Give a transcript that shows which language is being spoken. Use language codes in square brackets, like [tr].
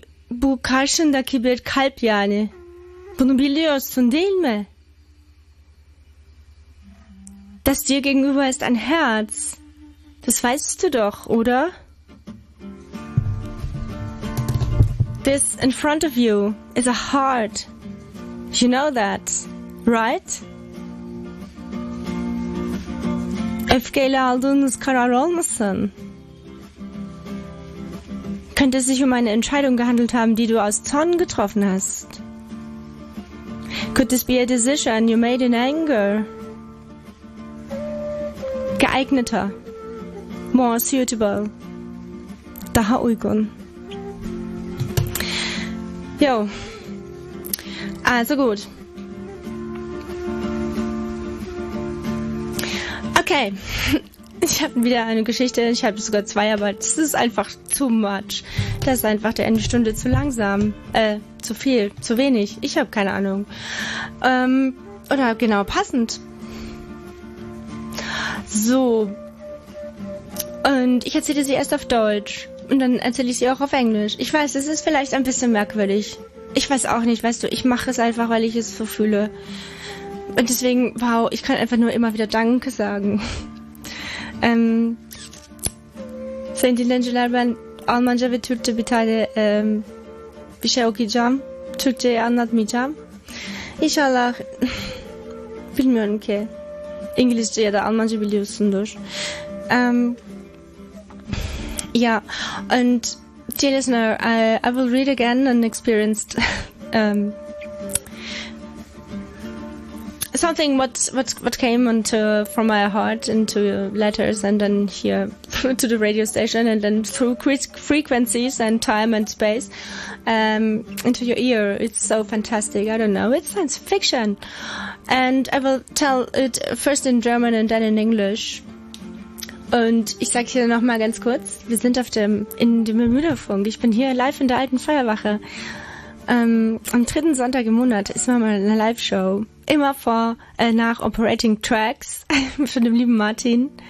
[tr] bu karşındaki bir kalp yani. Bunu biliyorsun değil mi? [de] Das dir gegenüber ist ein Herz. Das weißt du doch, oder? [en] This in front of you is a heart. You know that, right? [tr] Öfkeyle aldığınız karar olmasın. [de] Könnte es sich um eine Entscheidung gehandelt haben, die du aus Zorn getroffen hast? [en] Could this be a decision you made in anger? [de] Geeigneter. [en] More suitable. [tr] Daha uygun. [de] Jo. Also gut. [en] Okay. [de] Ich habe wieder eine Geschichte. Ich habe sogar zwei, aber das ist einfach [en] too much. [de] Das ist einfach der eine Stunde zu langsam. Zu viel. Zu wenig. Ich habe keine Ahnung. Oder genau passend. So. Und ich erzähle sie erst auf Deutsch. Und dann erzähle ich sie auch auf Englisch. Ich weiß, das ist vielleicht ein bisschen merkwürdig. Ich weiß auch nicht, weißt du, ich mache es einfach, weil ich es so fühle. Und deswegen, wow, ich kann einfach nur immer wieder Danke sagen. [tr] Sen dinlenciler, ben Almanca ve Türkçe bir tane bir şey okuyacağım. Türkçeyi anlatmayacağım. İnşallah, bilmiyorum ki. İngilizce ya da Almanca biliyorsundur. [de] Ja, und [en] dear listener, I will read again an experienced something what came into from my heart into letters and then here to the radio station and then through frequencies and time and space into your ear. It's so fantastic. I don't know. It's science fiction. And I will tell it first in German and then in English. [de] Und ich sag hier nochmal ganz kurz, wir sind in dem Bermuda-Funk. Ich bin hier live in der alten Feuerwache. Am dritten Sonntag im Monat ist mal eine Live-Show. Immer vor, nach Operating Tracks von dem lieben Martin.